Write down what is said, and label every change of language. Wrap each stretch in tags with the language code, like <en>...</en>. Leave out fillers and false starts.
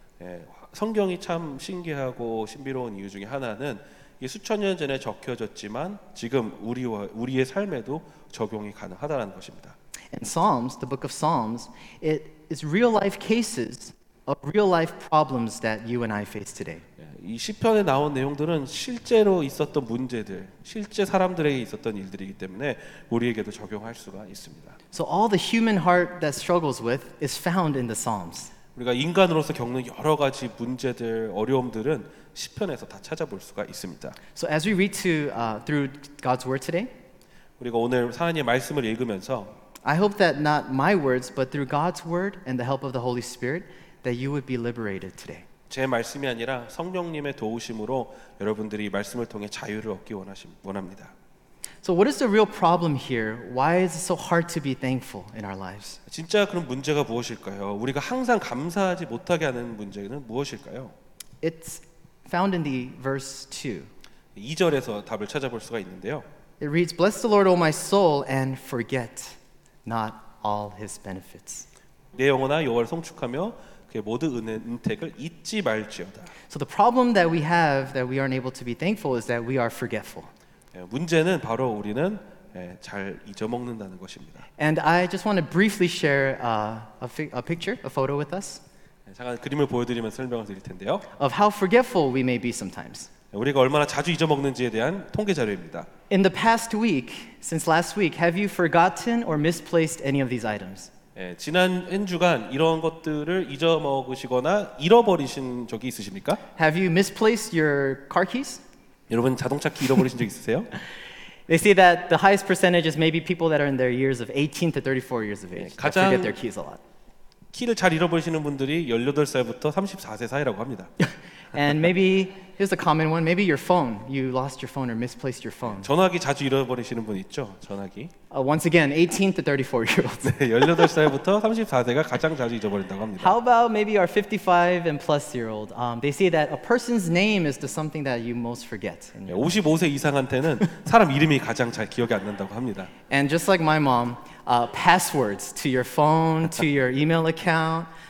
<ko>예, 성경이 참 신기하고 신비로운 이유 중에 하나는 이 수천 년 전에 적혀졌지만 지금 우리의 삶에도 적용이 가능하다는 것입니다.</ko> <en>In Psalms, the book of Psalms, it is real life cases of real life problems that you and I face today.</en> <ko>이 시편에 나온 내용들은 실제로 있었던 문제들, 실제 사람들에게 있었던 일들이기 때문에 우리에게도 적용할 수가 있습니다.</ko> <en>So all the human heart that struggles with is found in the Psalms.</en> <ko>우리가 인간으로서 겪는 여러 가지 문제들, 어려움들은 시편에서 다 찾아볼 수가 있습니다.</ko> <en>So as we read to through God's word today,</en> <ko>우리가 오늘 하나님의 말씀을 읽으면서</ko> <en>I hope that not my words but through God's word and the help of the Holy Spirit that you would be liberated today.</en> <ko>제 말씀이 아니라 성령님의 도우심으로 여러분들이 말씀을 통해 자유를 얻기 원합니다.</ko> <en>So what is the real problem here? Why is it so hard to be thankful in our lives?</en> <ko>진짜 그럼 문제가 무엇일까요? 우리가 항상 감사하지 못하게 하는 문제는 무엇일까요?</ko> <en>It's found in the verse 2.</en> <ko>2절에서 답을 찾아볼 수가 있는데요.</ko> <en>It reads, Bless the Lord, O my soul, and forget not all his benefits.</en> <ko>내 영혼아, 여호와를 송축하며 그의 모든 은혜를 잊지 말지어다.</ko> <en>So the problem that we have that we aren't able to be thankful is that we are forgetful.</en> <ko>문제는 바로 우리는 잘 잊어먹는다는 것입니다.</ko> <en>And I just want to briefly share a picture, a photo with us.</en> <ko>잠깐 그림을 보여드리면 설명을 드릴 텐데요.</ko> <en>Of how forgetful we may be sometimes.</en> <ko>우리가 얼마나 자주 잊어먹는지에 대한 통계 자료입니다.</ko> <en>In the past week, since last week, have you forgotten or misplaced any of these items?</en> <ko>지난 한 주간 이런 것들을 잊어먹으시거나 잃어버리신 적이 있으십니까?</ko> <en>Have you misplaced your car keys?</en> <ko>여러분 자동차 키 잃어버리신 적 있으세요?</ko> <en>They see that the highest percentage is maybe people that are in their years of 18 to 34 years of age. They forget their keys a lot.</en> <ko>키를 잘 잃어버리시는 분들이 18살부터 34세 사이라고 합니다.</ko> <en>And maybe here's a common one. Maybe your phone. You lost your phone or misplaced your phone.</en> <ko>전화기 자주 잃어버리시는 분 있죠? 전화기.</ko> <en>Once again, 18 to 34 year olds.</en> <ko>18살부터 34세가 가장 자주 잃어버린다고 합니다.</ko> <en>How about maybe our 55 and plus year old? They say that a person's name is the something that you most forget.</en> <ko>55세 이상한테는 사람 이름이 가장 잘 기억이 안 난다고 합니다.</ko> <en>And just like my mom, passwords to your phone, to your email account.</en>